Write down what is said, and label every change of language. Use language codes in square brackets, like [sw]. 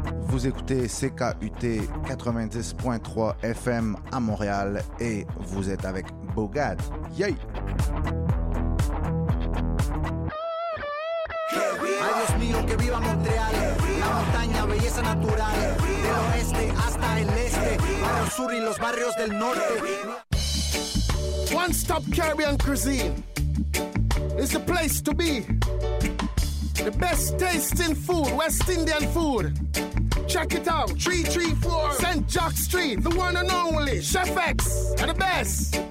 [fr] Vous écoutez CKUT 90.3 FM à Montréal et vous êtes avec Bogad. [en] Yay! [es] Ay Dios mío, que viva Montreal, la montaña, belleza natural, del oeste hasta el este, para el sur y los barrios del norte. [en] One Stop Caribbean Cuisine is the place to be. The best tasting food, West Indian food. Check it out, 334 St. Jacques Street, the one and only Chef X, and the best.